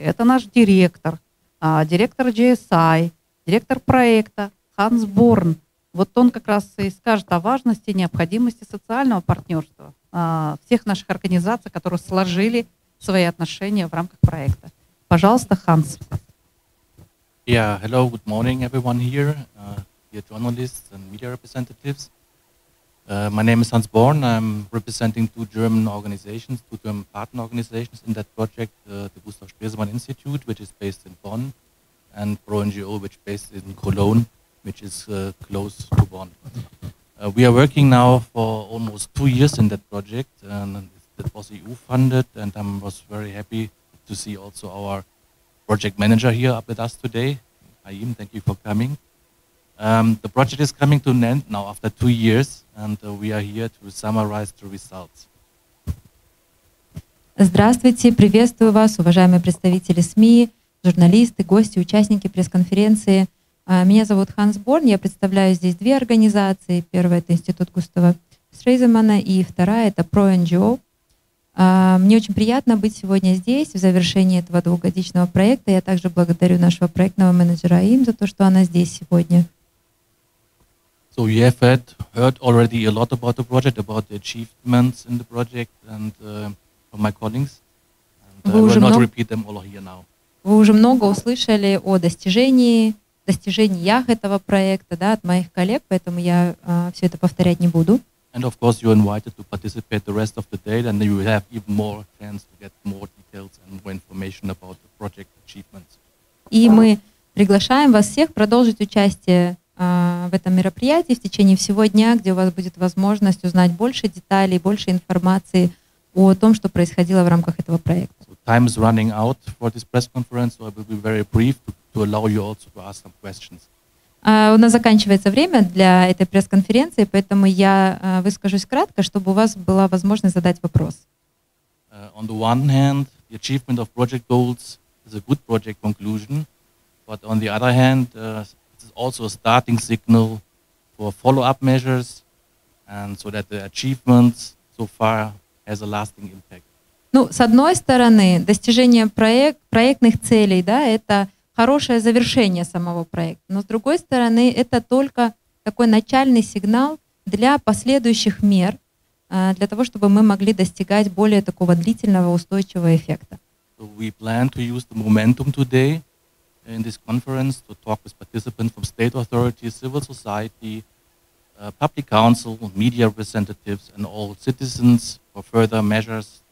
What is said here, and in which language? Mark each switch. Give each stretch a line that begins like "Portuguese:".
Russian: Это наш директор, директор GSI, директор проекта Ханс Борн. Вот он как раз и скажет о важности и необходимости социального партнерства всех наших организаций, которые сложили свои отношения в рамках проекта. Пожалуйста, Ханс.
English: Yeah, hello, good morning everyone here, dear journalists and media representatives. My name is Hans Born. I'm representing two German organizations, two German partner organizations in that project, the Gustav Stresemann Institute, which is based in Bonn, and ProNGO, which is based in Cologne, which is close to Bonn. We are working now for almost 2 years in that project, and that was EU funded, and I was very happy to see also our project manager here up with us today. Haim, thank you for coming. The project is coming to an end now after 2 years, and we are here to summarize the results.
Russian: Здравствуйте, приветствую вас, уважаемые представители СМИ, журналисты, гости, участники пресс-конференции. Меня зовут Ханс Борн, я представляю здесь две организации. Первая — это Институт Густава Штреземана, и вторая — это ProNGO. Мне очень приятно быть сегодня здесь в завершении этого двухгодичного проекта. Я также благодарю нашего проектного менеджера Аим за то, что она здесь сегодня.
English: So you have heard already a lot about the project, about the achievements in the project and from my colleagues. And I will not repeat them all here now.
Russian: Вы уже много услышали о достижениях этого проекта, да, от моих коллег, поэтому я все это повторять не буду.
English: And of course, you're invited to participate the rest of the day, and then you will have even more chance to get more details and more information about the project achievements.
Russian: И мы приглашаем вас всех продолжить участие в этом мероприятии в течение всего дня, где у вас будет возможность узнать больше деталей, больше информации о том, что происходило в рамках этого проекта.
English: So time is running out for this press conference, so I will be very brief to allow you also to ask some questions.
Russian: У нас заканчивается время для этой пресс-конференции, поэтому я выскажусь кратко, чтобы у вас была возможность задать вопрос.
English: On the one hand, the achievement of project goals is a good project conclusion, but on the other hand, it is also a starting signal for follow-up measures, and so that the achievements so far has a lasting impact.
Russian: Ну, с одной стороны, достижение проектных целей, да, это хорошее завершение самого проекта. Но с другой стороны, это только такой начальный сигнал для последующих мер, для того, чтобы мы могли достигать более такого длительного, устойчивого эффекта.
English: So we plan to use the momentum today in this conference to talk with participants from state authorities, civil society, public council, media representatives and all citizens for further measures.